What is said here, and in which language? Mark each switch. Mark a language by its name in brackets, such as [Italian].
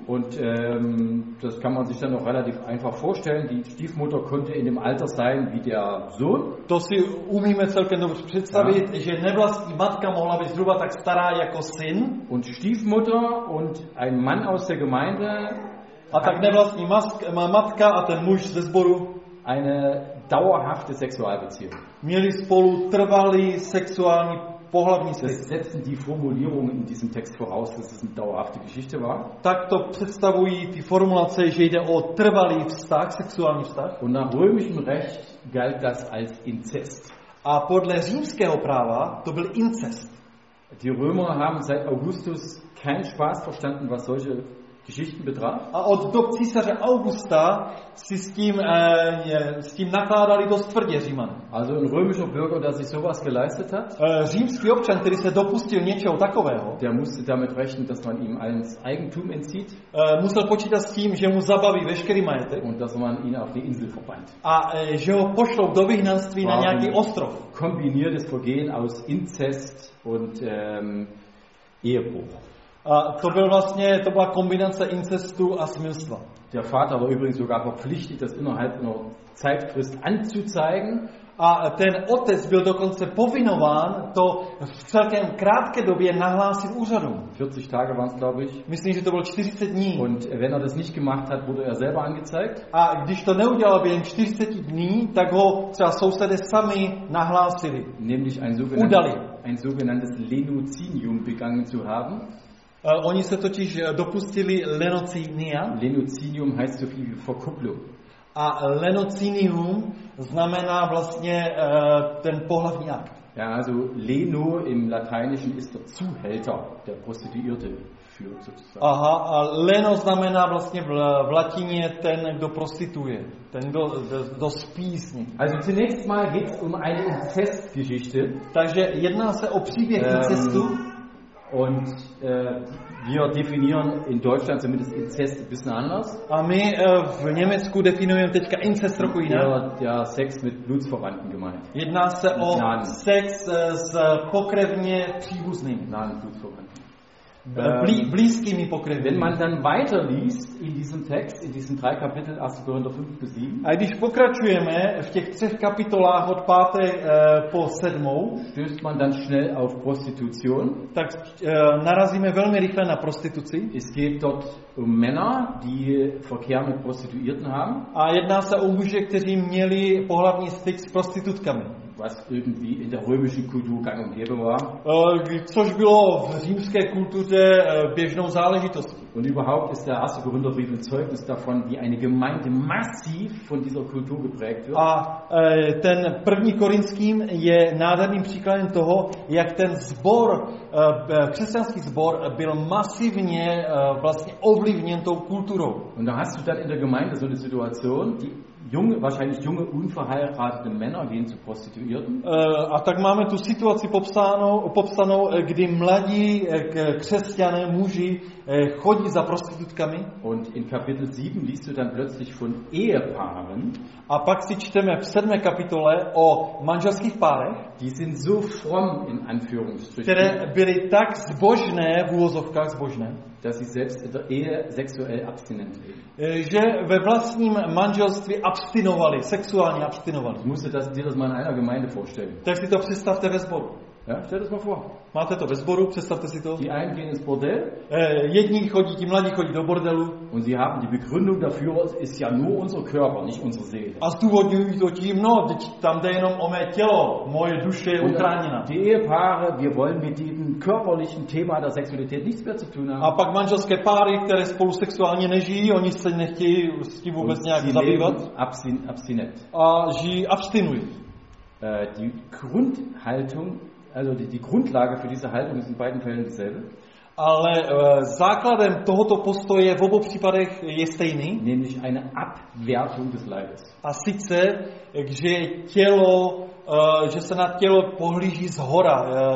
[German] Und das kann man sich dann noch relativ einfach vorstellen. Die Stiefmutter konnte in dem Alter sein wie der Sohn. [Czech] To si umíme celkem dobře představit, ja. Že nevlastní matka mohla být zhruba tak stará jako syn. [German] Und Stiefmutter und ein Mann aus der Gemeinde. [Czech] A tak nevlastní matka a ten muž ze sboru. [German] Eine dauerhafte Sexualbeziehung. [Czech] Měli spolu trvalý sexuální pohlavní styk. [German] Das setzen die Formulierungen in diesem Text voraus, dass es eine dauerhafte Geschichte war. [Czech] Tak to představují ty formulace, že jde o trvalý vztah, sexuální vztah. [German] Und nach römischem Recht galt das als Inzest. [Czech] A podle římského práva to byl incest. [German] Die Römer haben seit Augustus keinen Spaß verstanden, was solche Geschichten betraf. [Czech] A od dob císaře Augusta si s tím nakládali dost tvrdě Říman. [German] Also ein römischer Bürger, der sich sowas geleistet hat. [Czech] Římský občan, který se dopustil něčeho takového. [German] Der musste damit rechnen, dass man ihm ein Eigentum entzieht. [Czech] Musel počítat s tím, že mu zabaví veškerý majetek. [German] Und dass man ihn auf die Insel verbannt. [Czech] A že ho pošlou do vyhnanství na nějaký ostrov. [German] Kombiniertes Vorgehen aus Inzest und Ehebruch. [Czech] A to byl vlastně, to byla kombinace incestu a smilstva. [German] Der Vater war übrigens sogar verpflichtet, das innerhalb einer Zeitfrist anzuzeigen. [Czech] A ten otec byl dokonce povinován to v celkem krátké době nahlásit úřadu. [German] 40 Tage waren es, glaube ich. [Czech] Myslím, že to bylo 40 dní. [German] Und wenn er das nicht gemacht hat, wurde er selber angezeigt. [Czech] A když to neudělal během 40 dní, tak ho třeba sousedé sami nahlásili. [German] Nämlich ein sogenanntes Lenozinium begangen zu haben. [Czech] Oni se totiž dopustili lenocinia. [German] Lenocinium heißt so viel wie Verkupplung. [Czech] A lenocinium znamená vlastně ten pohlavní akt. [German] Ja, also leno im Lateinischen ist der Zuhälter, der Prostituierte führt sozusagen. [Czech] Aha, a leno znamená vlastně v latině ten, kdo prostituje, ten, kdo spí s ním. [German] Also zunächst mal geht es um eine Inzestgeschichte. [Czech] Takže jedná se o příběh incestu. [German] Und wir definieren in Deutschland zumindest Inzest ein bisschen anders. [Czech] A my v Německu definujeme teďka incest trochu jinak. [German] Ja, Sex mit Blutsverwandten gemeint. [Czech] Jedná se o sex s pokrevně příbuznými. [German] Nein, Blutsverwandten. [Czech] Blízkými pokrevními. [German] Wenn man dann weiterliest in diesem Text, in diesen drei Kapiteln, 1. Korinther 5 bis 7. [Czech] A když pokračujeme v těch třech kapitolách od 5. Po 7. [German] Stößt man dann schnell auf Prostitution. [Czech] Tak narazíme velmi rychle na prostituci. [German] Es geht dort um Männer, die Verkehr mit Prostituierten haben. [Czech] A jedná se o muže, kteří měli pohlavní styk s prostitutkami. [German] Was irgendwie in der römischen Kultur gang und gäbe war. [Czech] Což bylo v římské kultuře běžnou záležitostí. [German] Und überhaupt ist der erste Korintherbrief ein Zeugnis davon, wie eine Gemeinde massiv von dieser Kultur geprägt wird. [Czech] A ten první korinským je nádherným příkladem toho, jak ten zbor, křesťanský zbor, byl masivně vlastně ovlivněn tou kulturou. [German] Und da hast du dann in der Gemeinde so eine Situation, die junge, wahrscheinlich junge, unverheiratete Männer gehen zu Prostituierten. [Czech] A tak máme tu situaci popsanou, kdy mladí křesťané, muži, chodí za prostitutkami. [German] Und in Kapitel 7 liest du dann plötzlich von Ehepaaren. [Czech] A pak si čteme v 7. kapitole o manželských párech. [German] Die sind so fromm in Anführungsstrichen. [Czech] Které byly tak zbožné, v úvozovkách zbožné. [German] Dass sie selbst in der Ehe sexuell abstinent leben. [Czech] Že ve vlastním manželství abstinovali, sexuálně abstinovali. [German] Musst du dir das mal in einer Gemeinde vorstellen. [Czech] Tak si to představte ve sboru. [German] Ja, stell das mal vor. [Czech] Máte to ve sboru, představte si to. [German] Die einen gehen ins Bordell. [Czech] Jedni chodí, ti mladí chodí do bordelu. [German] Und sie haben die Begründung dafür, ist ja nur unser Körper, nicht unsere Seele. [Czech] A zdůvodňují to tím, no, teď tam jde jenom o mé tělo, moje duše je utráněna. [German] Die Ehepaare, wir wollen mit diesem körperlichen Thema der Sexualität nichts mehr zu tun haben. [Czech] A pak manželské páry, které spolu sexuálně nežijí, oni se nechtějí s tím vůbec nějak zabývat. [German] Abstinent. [Czech] A žijí abstinují. [German] Die Grundhaltung, also die Grundlage für diese Haltung ist in beiden Fällen dieselbe. [Czech] Ale základem tohoto postoje v obou případech je stejný. [German] Nämlich eine Abwertung des Leibes. [Czech] A sice, že tělo, že se na tělo pohlíží zhora.